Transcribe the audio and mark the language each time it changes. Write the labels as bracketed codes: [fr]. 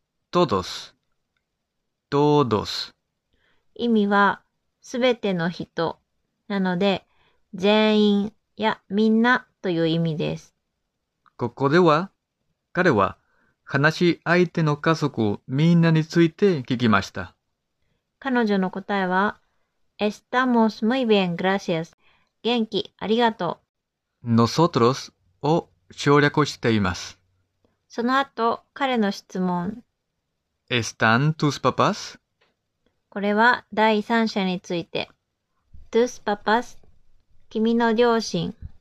[es] Todos. Todos. [ja] 意味はすべての人なので、全員やみんなという意味です。ここでは、彼は話し相手の家族みんなについて聞きました。彼女の答えは、 [es] Estamos muy bien, gracias. [ja] 元気、ありがとう。 Nosotros を省略しています。その後、彼の質問。 [es] ¿Están tus papás? [ja] これは第三者について。 [es] Tus papás? [ja] 君の両親。